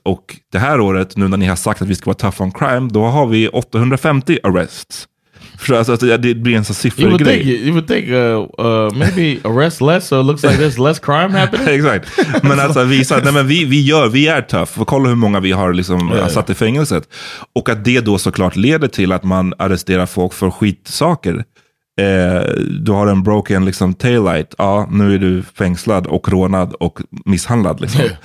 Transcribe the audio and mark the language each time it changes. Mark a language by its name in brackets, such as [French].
[Swedish] Och det här året, nu när ni har sagt att vi ska vara [English] tough on crime, [Swedish] då har vi 850 arrests. För alltså, det blir en sån siffrig grej. [English] You would think maybe arrest less, so it looks like there's less crime happening. [Swedish] Exakt. Men alltså visa, nej, men vi är tough. Och kolla hur många vi har liksom, satt i fängelset. Och att det då såklart leder till att man arresterar folk för skitsaker. Du har en broken liksom taillight. Ja, nu är du fängslad och rånad och misshandlad liksom.